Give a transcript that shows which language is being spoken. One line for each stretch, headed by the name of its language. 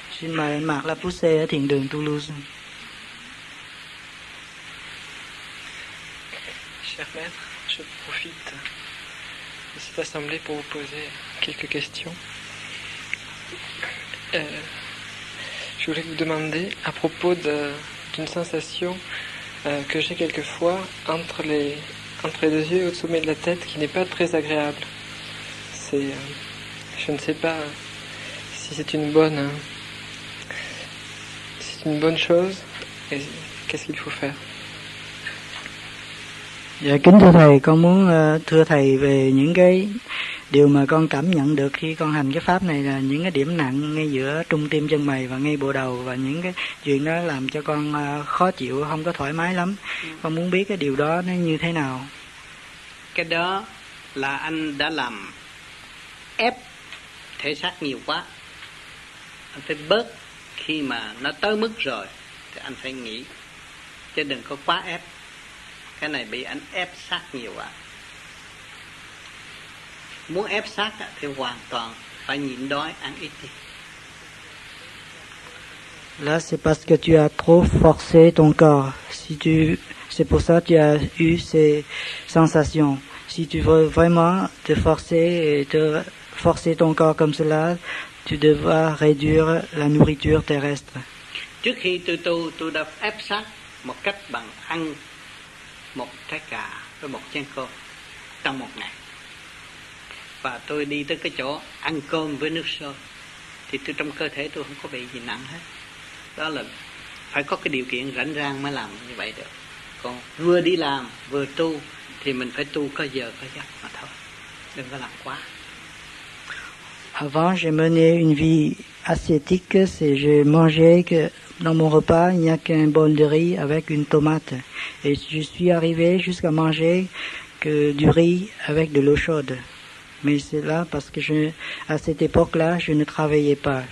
Vietnamese: Xin mời Marc Lapoussé ở thiền đường Toulouse.
French: Cher maître, je profite de cette assemblée pour vous poser quelques questions. Je voulais vous demander à propos d'une sensation que j'ai quelquefois entre les yeux et au sommet de la tête qui n'est pas très agréable. Je ne sais pas si c'est une bonne chose et qu'est-ce qu'il faut faire.
Vietnamese: Dạ, kính thưa thầy, con muốn thưa thầy về những cái điều mà con cảm nhận được khi con hành cái pháp này là những cái điểm nặng ngay giữa trung tim chân mày và ngay bộ đầu, và những cái chuyện đó làm cho con khó chịu, không có thoải mái lắm. Con muốn biết cái điều đó nó như thế nào. Cái đó là anh đã làm ép thể xác nhiều quá. Anh phải bớt, khi mà nó tới mức rồi thì anh phải nghỉ, chứ đừng có quá ép. Cái này bị anh ép xác nhiều quá. Muốn ép xác thì hoàn toàn phải nhịn đói, ăn ít đi.
French: Là c'est parce que tu as trop forcé ton corps. Si tu, c'est pour ça que tu as eu ces sensations. Si tu veux vraiment te forcer et te forcer ton corps comme cela, tu devras réduire la nourriture terrestre.
Vietnamese: Trước khi tu đã ép xác một cách bằng ăn một trái cà với một chén cơm trong một ngày. Và tôi đi tới cái chỗ ăn cơm với nước sôi thì tôi trong cơ thể tôi không có bị gì nặng hết. Đó là phải có cái điều kiện rảnh rang mới làm như vậy được. Còn vừa đi làm vừa tu thì mình phải tu có giờ có giấc mà thôi, đừng có làm quá.
French: Avant j'ai mené une vie ascétique, c'est je mangeais que dans mon repas il n'y a qu'un bol de riz avec une tomate, et je suis arrivé jusqu'à manger que du riz avec de l'eau chaude. Mais c'est là parce que à cette époque-là, je ne travaillais pas.